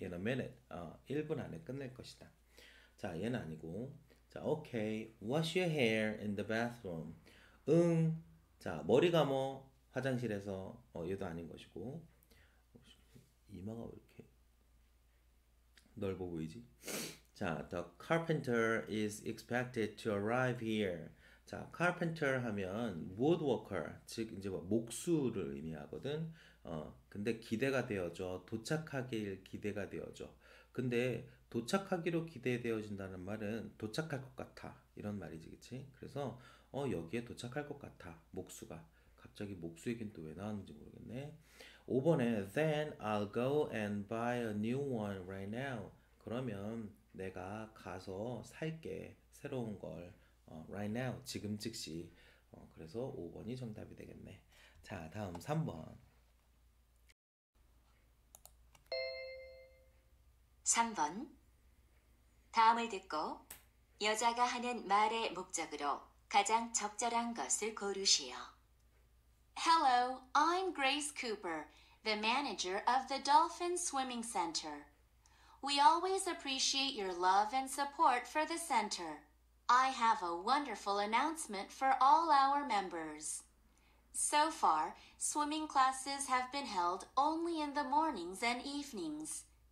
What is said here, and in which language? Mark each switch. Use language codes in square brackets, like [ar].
[en] In a minute. [ko] 1분 안에 끝낼 것이다. 자, 얘는 아니고. 자, okay. [en] Wash your hair in the bathroom. 응. [ko] 자, 머리 감어. 화장실에서. 얘도 아닌 것이고. 이마가 왜 이렇게 넓어 보이지? [en] 자, the carpenter is expected to arrive here. [ko] 자, carpenter 하면 woodworker, 즉 이제 목수를 의미하거든. 근데 기대가 되어져, 도착하길 기대가 되어져. 근데 도착하기로 기대되어진다는 말은 도착할 것 같아, 이런 말이지, 그치? 그래서 여기에 도착할 것 같아, 목수가. 갑자기 목수에겐 또왜 나왔는지 모르겠네. 5번에 [en] then I'll go and buy a new one right now. [ko] 그러면 내가 가서 살게, 새로운 걸. [en] Right now, [ko] 지금 즉시. 그래서 5번이 정답이 되겠네. 자, 다음 3번. 3번. 다음을 듣고 여자가 하는 말의 목적으로 가장 적절한 것을 고르시오. [en] Hello, I'm Grace Cooper, the manager of the Dolphin Swimming Center. We always appreciate your love and support for the center. I have a wonderful announcement for all our members. So far, swimming classes have been held only in the mornings and evenings.